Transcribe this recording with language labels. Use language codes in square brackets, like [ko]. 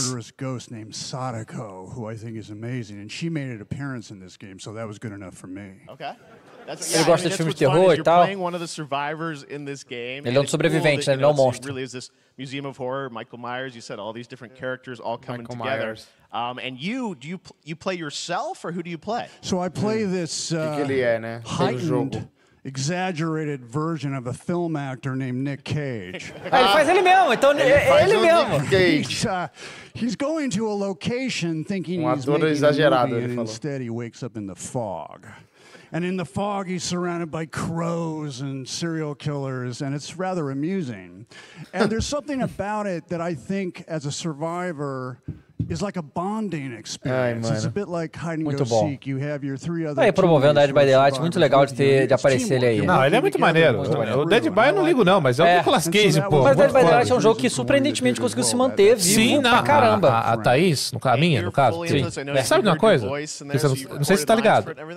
[en] A murderous ghost named Sadako, who I think is amazing, and she made an appearance in this game, so that was good enough for me. Okay. [pt] Ele gosta de filmes de terror e tal. Ele é um sobrevivente, né? Ele não é um monstro. [en] Really is this museum of horror, Michael Myers, you said all these different characters all coming Michael together. Myers. And you, do you you play yourself or who do you play? So I play this heightened, exaggerated version of a film actor named Nick Cage. [pt] Ele faz ele mesmo, então ele mesmo. [en] He's going to a location thinking he's making a movie, and instead he wakes up in the fog. And in the fog, he's surrounded by crows and serial killers, and it's rather amusing. And there's something about it that I think, as a survivor, is like a bonding experience. Ai, it's a bit like hide and go seek. You have your three other. [pt] Aí promovendo Dead by Daylight, muito legal de ter de aparecer ele aí. Não, ele é muito maneiro. O Dead by eu não ligo não, mas é o Nicolas Cage, pô. Mas Dead by Daylight é um jogo que surpreendentemente conseguiu se manter vivo. Sim, pra caramba. A Thaís, no caminho, no caso. Sim. Sabe de uma coisa? Não sei se tá ligado.